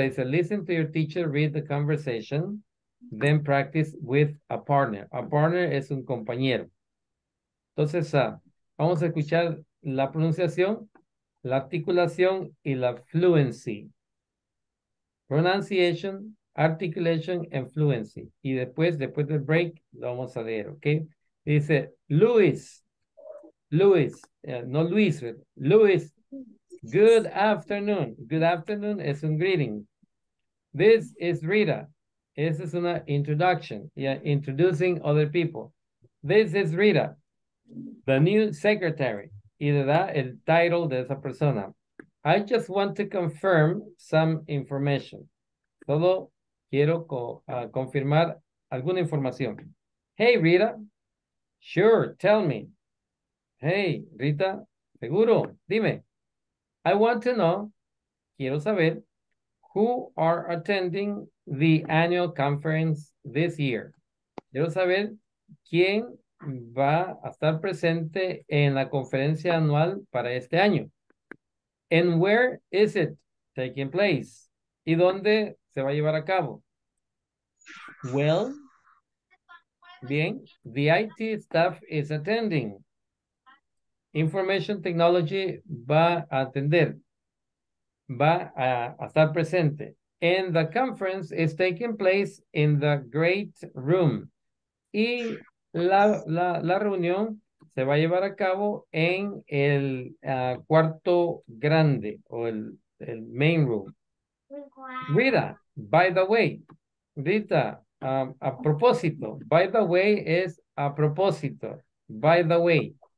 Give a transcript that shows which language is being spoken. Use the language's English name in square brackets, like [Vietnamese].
[Spanish] Dice, [English] listen to your teacher, read the conversation, then practice with a partner. [Spanish] A partner es un compañero. Entonces, vamos a escuchar la pronunciación, la articulación y la fluency. [English] Pronunciation, articulation and fluency. [Spanish] Y después del break, lo vamos a leer, ¿ok? Dice, Luis, no Luis, Luis, [English] good afternoon [Spanish] es un greeting. [English] This is Rita, [Spanish] esa es una [English] introduction, yeah, introducing other people. This is Rita, the new secretary, [Spanish] y le da el [English] title de esa persona. I just want to confirm some information. [Spanish] Todo quiero confirmar alguna información. [English] Hey, Rita. Sure, tell me. Hey, Rita, [Spanish] seguro, dime. [English] I want to know, [Spanish] quiero saber, [English] who are attending the annual conference this year? [Spanish] Quiero saber quién va a estar presente en la conferencia anual para este año. [English] And where is it taking place? [Spanish] ¿Y dónde se va a llevar a cabo? [English] Well, bien, the IT staff is attending. [Spanish] Information technology va a atender. Va a estar presente. [English] And the conference is taking place in the great room. [Spanish] Y la reunión se va a llevar a cabo en el cuarto grande o el main room. [English] Rita, by the way, Rita, [Spanish] a propósito, [English] by the way es a propósito, by the way.